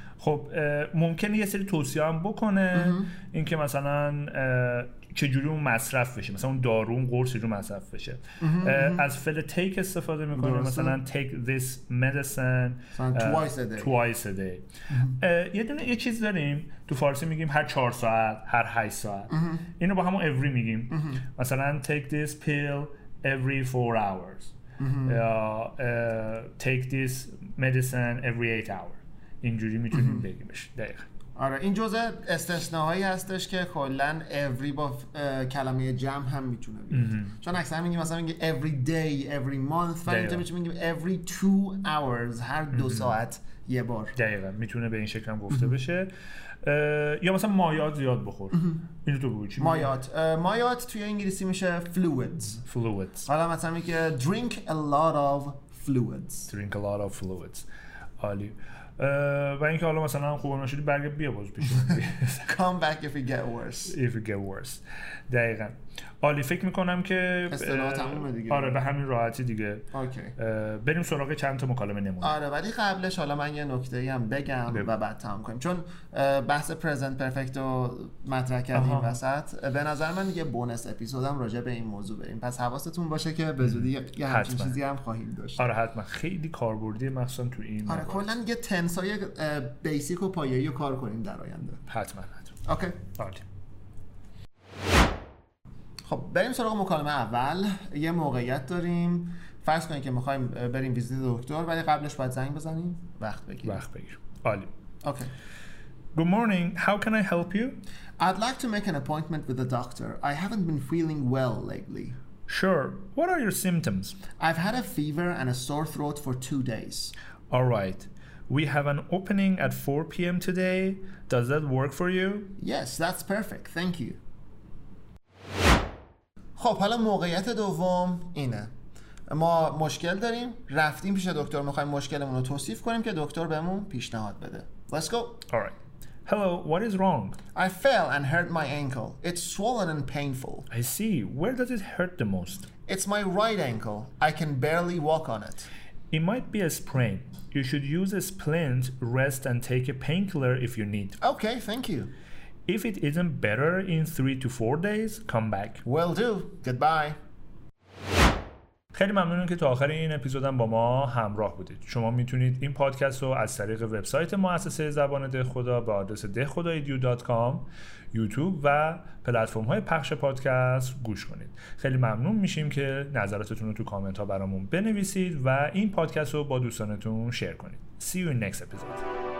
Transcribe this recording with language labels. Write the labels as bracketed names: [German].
[Persian] خب ممکنه یه سری توصیه هم بکنه، این که مثلا چجوری اون مصرف بشه، مثلا اون دارو، اون قرص رو مصرف بشه. از فعل take استفاده میکنه، مثلا [English] take this medicine twice a day. [Persian] یه دونه یه چیز داریم تو فارسی میگیم هر 4 ساعت، هر 8 ساعت، اینو با همون every میگیم. [English] مثلا take this pill every 4 hours، یا take this medicine every 8 hours، [Persian] اینجوری میتونیم بگیمش. دقیقا. آره، این جزء استثناهایی هستش که کلن every با کلمه جمع هم میتونه بگیم، چون اکثر میگیم مثلا میگیم every day، every month، ولی اینجا میتونیم بگیم [English] every 2 hours، [Persian] هر 2 ساعت یه بار. دقیقا، میتونه به این شکل هم گفته بشه. یا مثلا مایات زیاد بخور. اینو تو بگو چی میگه؟ مایات، مایات توی انگلیسی میشه fluids. [English] Fluids. [Persian] حالا مثلا میگه [English] drink a lot of fluids. Drink a lot of fluids. [Persian] عالی. و اینکه حالا مثلا خوب نشدی برگه بیا باز پیش. [English] Come back if you get worse. If you get worse. [Persian] دقیقا. عالی، فکر میکنم که اصطلاح تمومه دیگه. آره، به همین راحتی دیگه. اوکی. بریم سراغ چند تا مکالمه نمونه. آره، ولی قبلش حالا من یه نکته‌ای هم بگم و بعد تمام کنیم، چون بحث پرزنت پرفکت رو مطرح کردیم وسط. به نظر من یه بونس اپیزودم راجع به این موضوع بریم، پس حواستون باشه که به زودی یه همچین چیزی هم خواهیم داشت. آره حتما، خیلی کاربردی مخصوصا تو این. آره، کلا یه تنسای بیسیک و پایه‌ای رو کار کنیم در آینده. حتما. اوکی. آره. خب بریم سراغ مکالمه اول. یه موقعیت داریم، فرض کنید که میخوایم بریم ویزیت دکتر، ولی قبلش باید زنگ بزنیم، وقت بگیریم. وقت بگیر. عالی. اوکی. [English] Good morning. How can I help you? I'd like to make an appointment with the doctor. I haven't been feeling well lately. Sure. What are your symptoms? I've had a fever and a sore throat for 2 days. All right. We have an opening at 4 p.m. today. Does that work for you? Yes, that's perfect. Thank you. [Persian] خب حالا موقعیت دوم اینه، ما مشکل داریم، رفتیم پیش دکتر، میخوایم مشکلمون رو توصیف کنیم که دکتر بهمون پیشنهاد بده. [English] Let's go. All right. Hello, what is wrong? I fell and hurt my ankle. It's swollen and painful. I see. Where does it hurt the most? It's my right ankle. I can barely walk on it. It might be a sprain. You should use a splint, rest and take a painkiller if you need. Okay, thank you. If it isn't better in 3 to 4 days, come back. Will do. Goodbye. [Persian] خیلی ممنونم که تا آخر این اپیزودم با ما همراه بودید. شما میتونید این پادکست رو از طریق وبسایت مؤسسه زبان دهخدا به آدرس dehkhodaedu.com، یوتیوب و پلتفرم های پخش پادکست گوش کنید. خیلی ممنون میشیم که نظراتتون رو تو کامنت ها برامون بنویسید و این پادکست رو با دوستانتون شیر کنید. [English] See you in next episode.